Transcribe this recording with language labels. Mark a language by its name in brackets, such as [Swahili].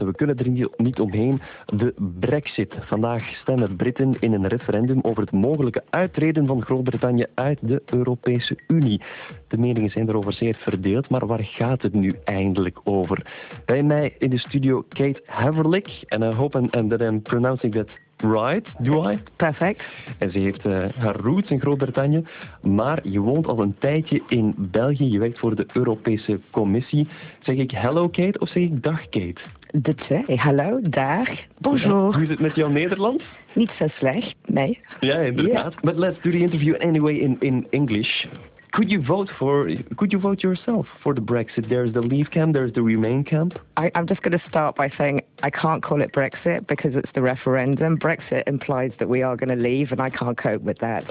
[Dutch] We kunnen er niet omheen. De Brexit. Vandaag stemmen Britten in een referendum over het mogelijke uittreden van Groot-Brittannië uit de Europese Unie. De meningen zijn erover zeer verdeeld, maar waar gaat het nu eindelijk over? Bij mij in de studio Kate Haverlick. [English] En I hope that I'm pronouncing that right, do I? Perfect. [Dutch] En ze heeft haar roots in Groot-Brittannië, maar je woont al een tijdje in België. Je werkt voor de Europese Commissie. Zeg ik hello Kate of zeg ik dag Kate? De twee, hallo, dag, bonjour. Ja, hoe is het met jou Nederland? Niet zo slecht, nee. Ja, inderdaad. Yeah. [English] But let's do the interview anyway in English. Could you vote yourself for the Brexit? There's the Leave camp, there's the Remain camp. I'm just going to start by saying I can't call it Brexit because it's the referendum. Brexit implies that we are going to leave and I can't cope with that.